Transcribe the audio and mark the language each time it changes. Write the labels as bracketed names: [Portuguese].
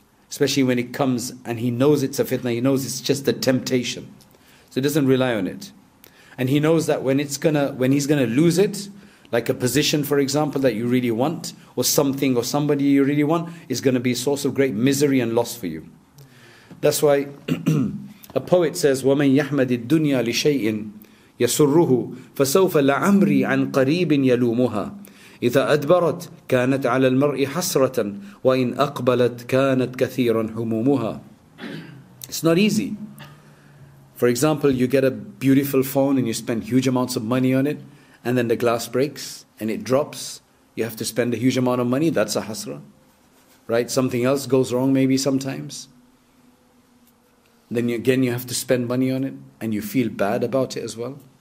[English] Especially when it comes and he knows it's a fitna, he knows it's just a temptation. So he doesn't rely on it. And he knows that when he's gonna lose it, like a position, for example, that you really want, or something or somebody you really want, is gonna be a source of great misery and loss for you. That's why a poet says, [Arabic] وَمَنْ يَحْمَدِ الدُّنْيَا لِشَيْءٍ يَسُرُّهُ فَسَوْفَ لَعَمْرِي عَنْ قَرِيبٍ يَلُومُهَا إِذَا أَدْبَرَتْ كَانَتْ عَلَى الْمَرْءِ حَسْرَةً وَإِنْ أَقْبَلَتْ كَانَتْ كَثِيرًا حُمُومُهَا. [English] It's not easy. For example, you get a beautiful phone and you spend huge amounts of money on it, and then the glass breaks and it drops. You have to spend a huge amount of money. That's a hasra. Right? Something else goes wrong maybe sometimes. Then again, you have to spend money on it and you feel bad about it as well.